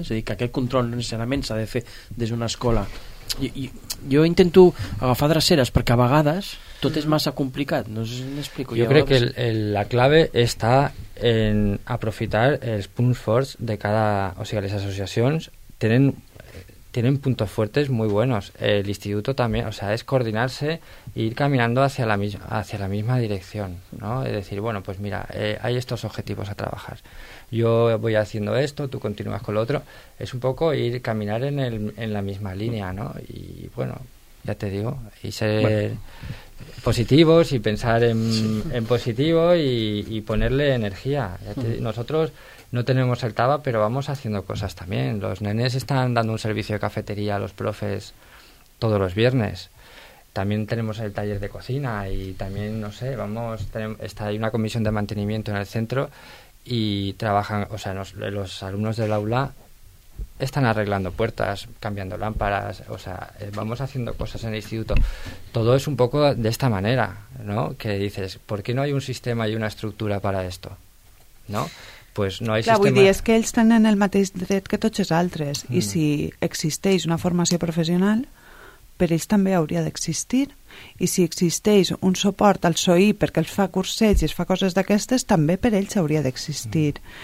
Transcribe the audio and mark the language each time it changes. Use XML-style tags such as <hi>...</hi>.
<ca>És a dir, que aquest control necessàriament s'ha de fer des d'una escola. Jo intento agafar dreceres perquè a vegades tot és massa complicat. No sé si m'explico. Jo crec que la clave està en aprofitar els punts forts de cada... O sigui, les associacions tenen</ca> <es>puntos fuertes muy buenos. El instituto también, o sea, es coordinarse e ir caminando hacia la misma dirección, ¿no? Es decir, bueno, pues mira, hay estos objetivos a trabajar. Yo voy haciendo esto, tú continúas con lo otro. Es un poco ir caminar en la misma línea, ¿no? Y bueno, ya te digo, y ser bueno, positivos y pensar en positivo y ponerle energía. Nosotros no tenemos el TABA, pero vamos haciendo cosas también. Los nenes están dando un servicio de cafetería a los profes todos los viernes. También tenemos el taller de cocina y también, no sé, hay una comisión de mantenimiento en el centro y trabajan, o sea, los alumnos del aula están arreglando puertas, cambiando lámparas, o sea, vamos haciendo cosas en el instituto. Todo es un poco de esta manera, ¿no? Que dices, ¿por qué no hay un sistema y una estructura para esto? ¿No? Pues no hay sistema.</es> <ca>Vull dir, és que ells tenen el mateix dret que tots els altres. I si existeix una formació professional, per ells també hauria d'existir. I si existeix un suport al SOI perquè els fa cursets i es fa coses d'aquestes, també per ells hauria d'existir.</ca>